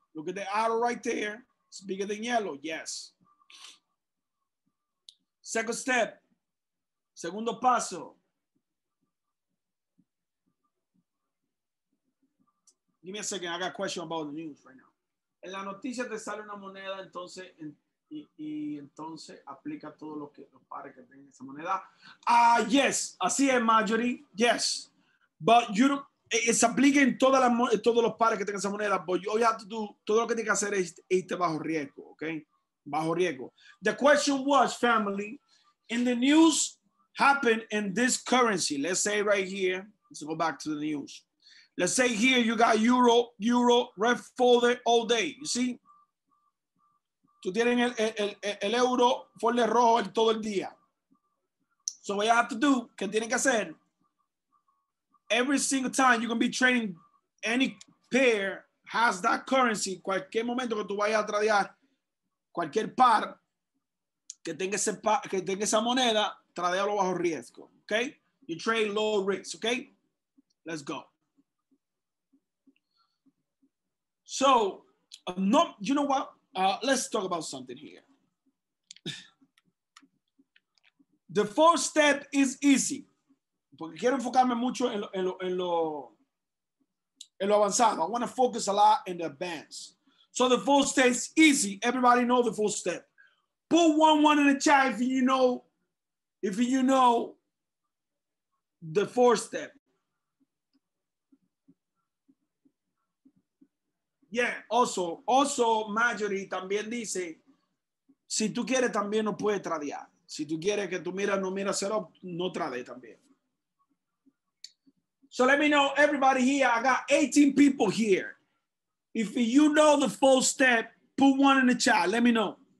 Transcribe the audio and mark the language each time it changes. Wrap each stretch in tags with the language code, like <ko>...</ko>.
<en>Look at the arrow right there. It's bigger than yellow. Yes. Second step.</en> <es>Segundo paso.</es> <en>Give me a second. I got a question about the news right now.</en> <es>En la noticia te sale una moneda, entonces, y entonces aplica todo lo que los pares que tienen esa moneda.</es> <en>Ah, yes.</en> <es>Así es,</es> <en>Marjorie. Yes. But you don't. It's applicable in</en> <es>todas las, todos los pares que tengan esa moneda,</es> <en>but you have to do,</en> <es>todo lo que tiene que hacer es irte bajo riesgo, okay? Bajo riesgo.</es> <en>The question was, family, in the news happened in this currency. Let's say right here, let's go back to the news. Let's say here you got euro, red folder all day, you see?</en> <es>Tú tienes el euro folder rojo todo el día.</es> <en>So what you have to do,</en> <es>¿qué tienen que hacer?</es> <en>Every single time you're gonna be trading, any pair has that currency.</en> <es>Cualquier momento que tú vayas a tradear, cualquier par que tenga ese par, que tenga esa moneda, tradealo bajo riesgo.</es> <en>Okay? You trade low risk. Okay? Let's go. So, you know what? Let's talk about something here. The fourth step is easy.</en> <es>Porque quiero enfocarme mucho en lo avanzado.</es> <en>I want to focus a lot in the advance. So the fourth step is easy. Everybody know the fourth step. Put 1-1 in the chat if you know the fourth step. Yeah, also</en> <es>Marjorie también dice, si tú quieres también no puedes tradear. Si tú quieres que tú miras, no miras cero, no trade también.</es> <en>So let me know, everybody here, I got 18 people here. If you know the full step, put one in the chat, let me know.</en>